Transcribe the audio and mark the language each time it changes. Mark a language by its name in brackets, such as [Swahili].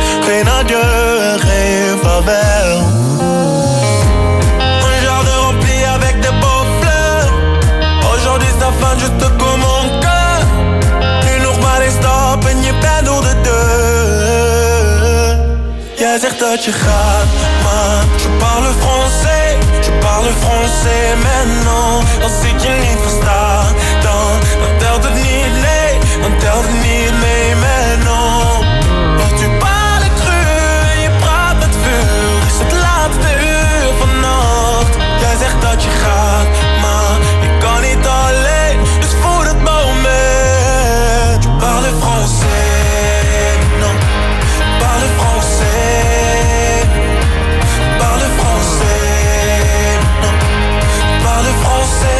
[Dutch] Geen adieu, geen vaarwel. [French] Un jour de rempli avec des beaux fleurs. Aujourd'hui c'est la fin, je te coupe mon cœur. [Dutch] Nu nog maar een stap en je bent door de deur. Jij zegt dat je gaat, maar [French] je parle français. Je parle français, mais non. [Dutch] Als ik je niet versta, dan telt het niet, nee, dan telt het niet mee, [French] mais non. [Dutch] Want [French] tu parles cru [Dutch] en je praat met vuur, is het laatste uur vannacht. Jij zegt dat je gaat, maar ik kan niet alleen, dus voor het moment. [French] Je parle français, non, parle français. Parle français, non, parle français.